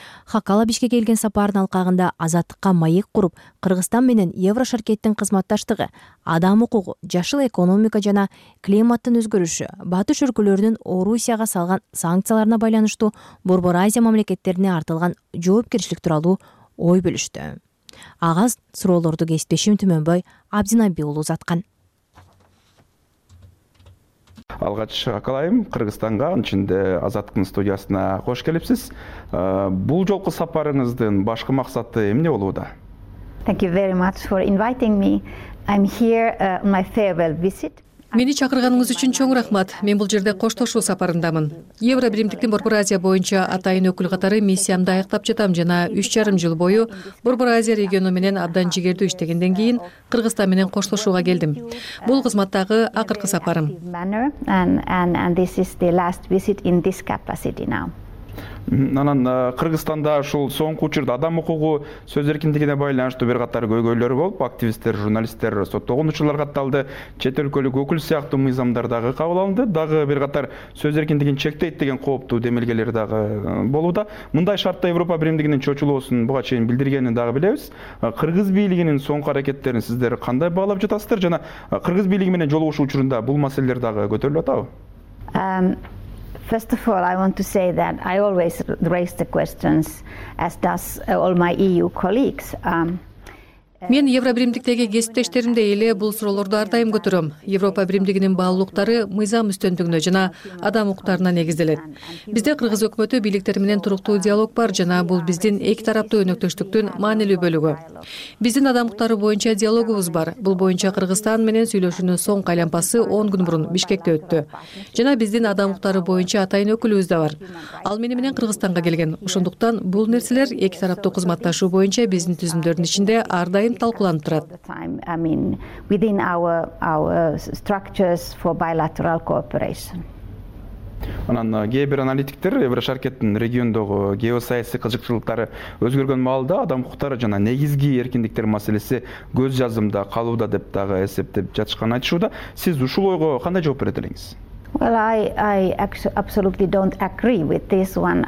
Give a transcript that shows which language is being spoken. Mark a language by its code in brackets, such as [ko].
[ky] Хакала Бишкек келген сапарынын алкагында Азаттыкка маек куруп, Кыргызстан менен Евро шаркеттин кызматташтыгы, адам укугу, жашыл экономика жана климаттын өзгөрүшү, батыш өлкөлөрүнүн Орусияга салган санкцияларына байланыштуу Борбор Азия мамлекеттерине артылган жоопкерчилик тууралуу ой бөлүштү. Ага суроолорду кесиптешим Түмөнбай Абдинаби улу узаткан. Алгач акалайым Кыргызстанга, анын ичинде Азаттыктын студиясына кош келипсиз. Бул жолку сапарыңыздын башкы максаты эмне болууда? [en] Thank you very much for inviting me. I'm here on my farewell visit. [ky] Мени чакырганыңыз үчүн чоң рахмат. Мен бул жерде коштошуу сапарындамын. Евробиримдиктин Борбор Азия боюнча атайын өкүл катары миссиямды аяктап жатам жана 3,5 жыл бою Борбор Азия региону менен абдан жигердүү иштегенден кийин Кыргызстан менен коштошууга келдим. Бул кызматтагы акыркы сапарым. Анан Кыргызстанда ушул соңку учурда адам укугу, сөз эркиндигине байланыштуу бир катар көйгөйлөр болуп, активисттер, журналисттер соттолгончулар катталды, чет өлкөлүк өкүл сыяктуу мыйзамдар дагы кабыл алынды, дагы бир катар сөз эркиндигин чектейт деген кооптуу демилгелер дагы болууда. Мындай шартта Европа биримдигинин чочулуусун буга чейин билдиргенин дагы билебиз. Кыргыз бийлигинин соңку аракеттерин сиздер кандай баалап жатасыздар жана кыргыз бийлиги менен жолугушуу учурунда бул маселелер дагы көтөрүлүп атабы? [en] First of all, I want to say that I always raise the questions, as does all my EU colleagues. [ky] Мен Евробиримдиктеги кесиптештеримдей эле бул суроолорду ар дайым көтөрөм. Европа биримдигинин баалуулуктары мыйзам үстөмдүгүнө жана адам укуктарына негизделет. Бизде кыргыз өкмөтү бийликтери менен туруктуу диалог бар жана бул биздин эки тараптуу өнөктөштүктүн маанилүү бөлүгү. Биздин адам укуктары боюнча диалогубуз бар. Бул боюнча Кыргызстан менен сүйлөшүүнүн соңку айлампасы 10 күн мурун Бишкекте өттү. Жана биздин адам укуктары боюнча атайын өкүлүбүз да бар. Ал мени менен Кыргызстанга келген. Ошондуктан бул нерселер эки тараптуу кызматташуу боюнча биздин түзүмдөрдүн ичинде ар дайым талкууланып турат. [en] Within our structures for bilateral cooperation. [ky] Анан кээ бир аналитиктер Еврошаркеттин региондогу геосаясий кызыкчылыктары өзгөргөн маалда адам укуктары жана негизги эркиндиктер маселеси көз жазымда калууда деп дагы эсептеп жатышканын айтышууда. Сиз ушул ойго кандай жооп берет элеңиз? [en] Well, I absolutely don't agree with this one.